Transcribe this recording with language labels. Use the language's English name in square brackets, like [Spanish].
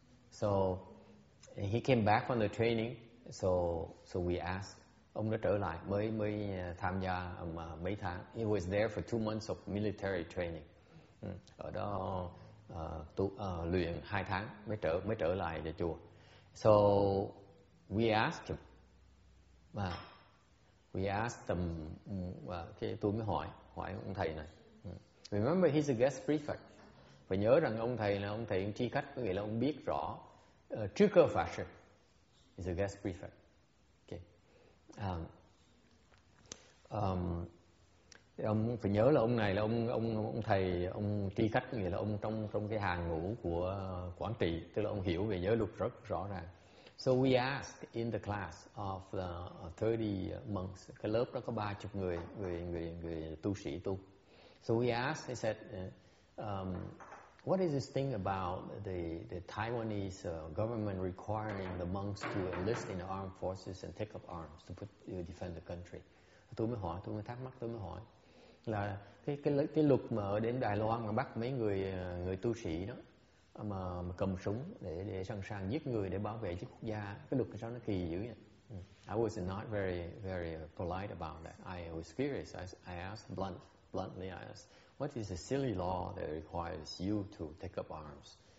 [English] So he came back from the training. So we asked, [Vietnamese] ông đã trở lại mới tham gia mấy tháng. [English] He was there for 2 months of military training. [Vietnamese] Ở đó luyện 2 tháng mới trở lại về chùa. [English] So we asked him, [Vietnamese] tôi mới hỏi ông thầy này. [English] Remember, he's a guest prefect. [Vietnamese] Phải nhớ rằng ông thầy là ông thầy tri khách, có nghĩa là ông biết rõ. [English] Trigger fashion is a guest prefect. Okay. [Vietnamese] Ông phải nhớ là ông này là ông thầy, ông tri khách, nghĩa là ông trong cái hàng ngũ của quản trị, tức là ông hiểu về giới luật rất rõ ràng. [English] So we asked in the class of the 30 monks, [Vietnamese] cái lớp đó có 30 người tu sĩ tu. [English] So we asked, they said, what is this thing about the Taiwanese government requiring the monks to enlist in the armed forces and take up arms to defend the country? [Vietnamese] Tôi mới thắc mắc là cái luật mà đến Đài Loan mà bắt mấy người tu sĩ đó mà cầm súng để sẵn sàng giết người để bảo vệ cho quốc gia, cái luật sao nó kỳ dữ vậy. [English] I was not very very polite about that. I was curious. I asked bluntly. I asked, what is a silly law that requires you to take up arms?